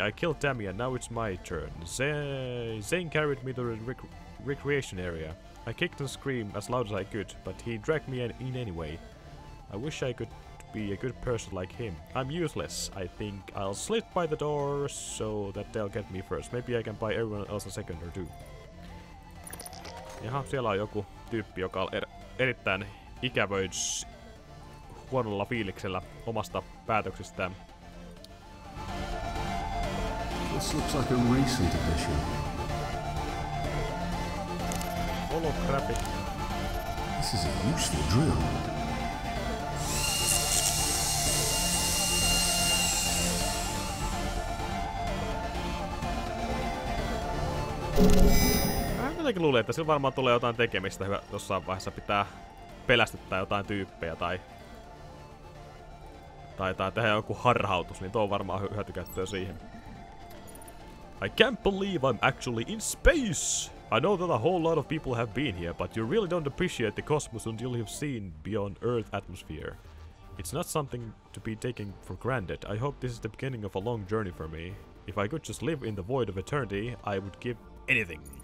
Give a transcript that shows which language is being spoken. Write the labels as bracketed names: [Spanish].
[English] I killed Tammy and now it's my turn. Zane carried me to the recreation area. I kicked and screamed as loud as I could, but he dragged me in anyway. I wish I could be a good person like him. I'm useless. I think I'll slip by the door so that they'll get me first. Maybe I can buy everyone else a second or two. [Finnish] Jaha, siellä on joku tyyppi, joka on erittäin ikävöis huonolla fiiliksellä omasta päätöksestään. [English] This looks like a recent addition. Holographic. This is a useful drill. [Finnish] Mä jotenkin luulen, että sillä varmaan tulee jotain tekemistä, jossain vaiheessa pitää pelästyttää jotain tyyppejä tai tehdä joku harhautus, niin tuo on varmaan hyötykäyttöä siihen. [English] I can't believe I'm actually in space! I know that a whole lot of people have been here, but you really don't appreciate the cosmos until you've seen beyond Earth atmosphere. It's not something to be taken for granted. I hope this is the beginning of a long journey for me. If I could just live in the void of eternity, I would give anything.